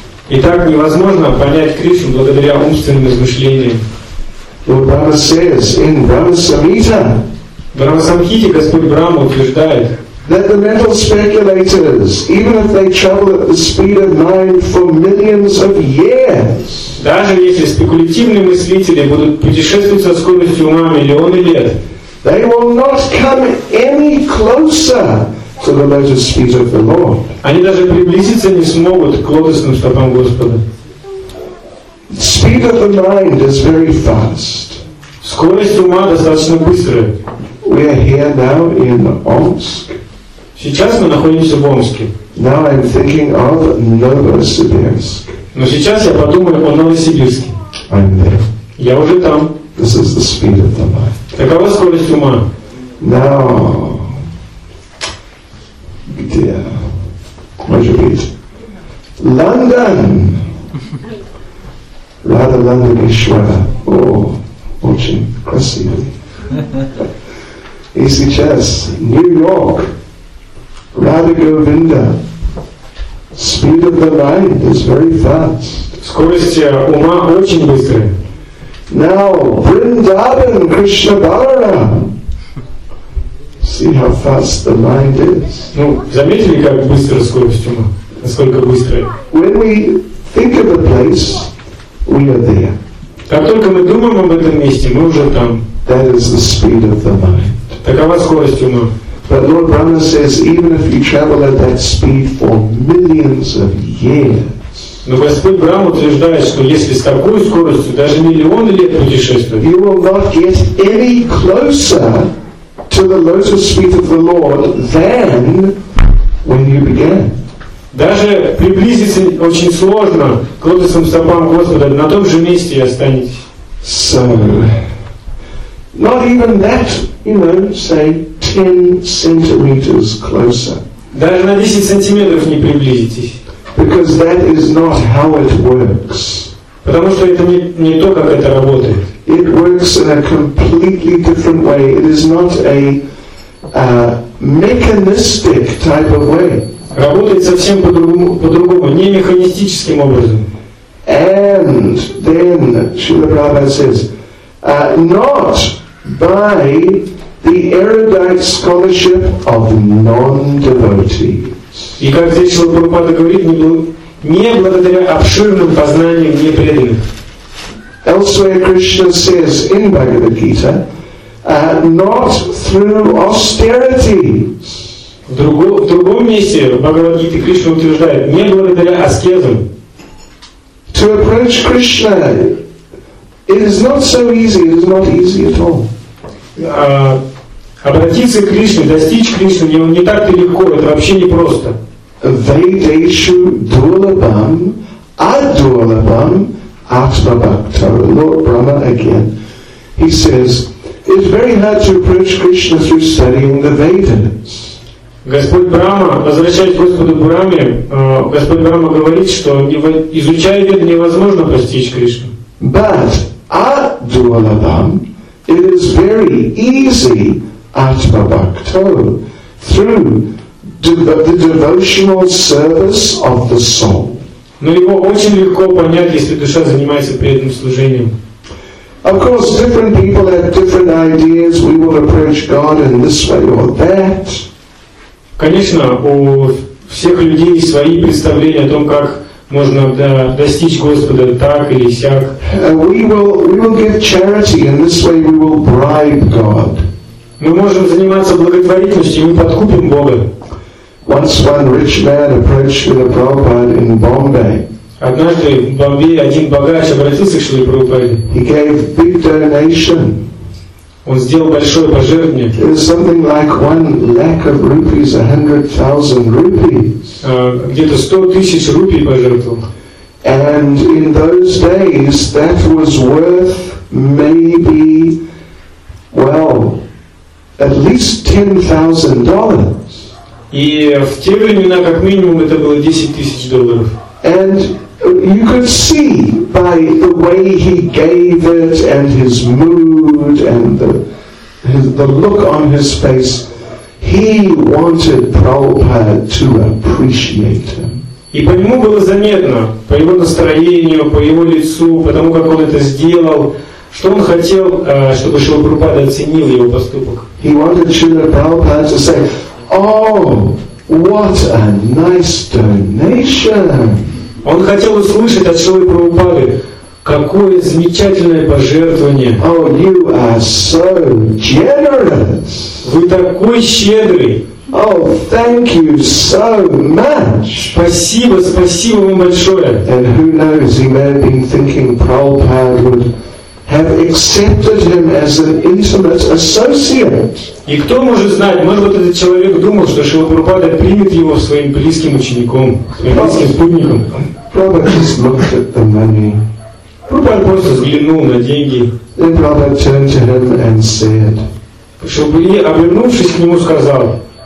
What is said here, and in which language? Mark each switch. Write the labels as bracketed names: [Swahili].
[Russian] Итак, невозможно понять Кришну благодаря умственным размышлениям. [English] Lord Brahma says in Brahma Samhita. [Russian] Брахма Самхите Господь Брахма утверждает. [English] That the mental speculators, even if they travel at the speed of mind for millions of years, [Russian] даже если спекулятивные мыслители будут путешествовать со скоростью ума миллионы лет, [English] they will not come any closer to the lotus feet of the Lord. [Russian] Они даже приблизиться не смогут к лотосным стопам Господа. [English] Speed of the mind is very fast. [Russian] Скорость ума достаточно быстрая. [English] We are here now in Omsk. [Russian] Сейчас мы находимся в Омске. [English] Now I'm thinking of Novosibirsk. [Russian] Но сейчас я подумаю о Новосибирске. [English] I'm there. [Russian] Я уже там. [English] This is the speed of the mind. [Russian] Такова скорость ума. [English] Now, [Russian] где? Может быть, Лондон. Рада Лондон Ишвара. О, очень красивый. И сейчас Нью-Йорк. [English] Radha Govinda, speed of the mind is very fast. [Russian] Скорость ума очень быстрая. [English] Now, Vrindavan, Krishna Balaram. See how fast the mind is. [Russian] Ну, заметили, как быстро скорость ума? Насколько быстрая? [English] When we think of a place, we are there. [Russian] Как только мы думаем об этом месте, мы уже там. [English] That is the speed of the mind. [Russian] Такова скорость ума. [English] But Lord Brahma says, even if you travel at that speed for millions of years, [Russian] но Господь Брахма утверждает, что если с такой скоростью даже миллионы лет путешествовать, [English] you will not get any closer to the lotus feet of the Lord than when you began. [Russian] Даже приблизиться очень сложно к лотосным стопам Господа, на том же месте и останетесь. [English] So, not even that, you know, say. 10 centimeters closer. [Russian] Даже на 10 сантиметров не приблизитесь. [English] Because that is not how it works. [Russian] Потому что это не то, как это работает. [English] It works in a completely different way. It is not a mechanistic type of way. [Russian] Работает совсем по-другому, не механистическим образом. [English] And then Srila Prabhupada says, not by the erudite scholarship of non-devotees. [Russian] И как здесь Шрила Прабхупада говорит, не благодаря обширным познаниям непреданных. [English] Elsewhere Krishna says in Bhagavad Gita, not through austerities. [Russian] В другом месте в Бхагавад Гите Кришна утверждает, не благодаря аскезам. [English] To approach Krishna, it is not so easy. It is not easy at all. [Russian] Обратиться к Кришне, достичь Кришны, не так-то легко, это вообще не просто. [Sanskrit] Vaideshu Dulabham Adulabham Atmabhakta. [English] Lord Brahma again. He says, it's very hard to approach Krishna through studying the Vedas. [Russian] Господь Брахма, возвращаясь к Господу Браме, Господь Брахма говорит, что изучая Веды, невозможно постичь Кришну. [English] But Adulabham, it is very easy Atma Bhakto, through the devotional service of the soul. [Russian] Но его очень легко понять, если душа занимается преданным служением. [English] Of course, different people have different ideas. We will approach God in this way or that. [Russian] Конечно, у всех людей свои представления о том, как можно достичь Господа так или сяк. [English] We will give charity, and this way we will bribe God. [Russian] Мы можем заниматься благотворительностью, и мы подкупим Бога. [English] Once one rich man approached Srila Prabhupada in Bombay. [Russian] Однажды в Бомбее один богач обратился к Шриле Прабхупаде. [English] He gave big donation. [Russian] Он сделал большое пожертвование. [English] It is something like 1 lakh of rupees, 100,000 rupees. [Russian] Где-то 100,000 рупий пожертвовал. [English] And in those days, that was worth maybe, well, at least $10,000. [Russian] И в те времена, как минимум, это было 10,000 долларов. [English] And you could see by the way he gave it and his mood and the look on his face, he wanted Prabhupada to appreciate him. [Russian] И по нему было заметно, по его настроению, по его лицу, по тому, как он это сделал, что он хотел, чтобы Шрила Прабхупада оценил его поступок. [English] He wanted Shrila Prabhupada to say, "Oh, what a nice donation!" [Russian] Он хотел услышать от Шрилы Прабхупады, какое замечательное пожертвование. [English] Oh, you are so generous! [Russian] Вы такой щедрый! [English] Oh, thank you so much! [Russian] Спасибо, спасибо вам большое! [English] And who knows, he may have been thinking Prabhupada would have accepted him as an intimate associate. [Russian] И кто может знать, может быть, этот человек думал, что Шрила Прабхупада примет его своим близким учеником, своим близким спутником. [English] Prabhupada just looked at the money. [Russian] Prabhupada просто взглянул на деньги. [English] Then Prabhupada turned to him and said, [Russian] и обернувшись к нему, сказал,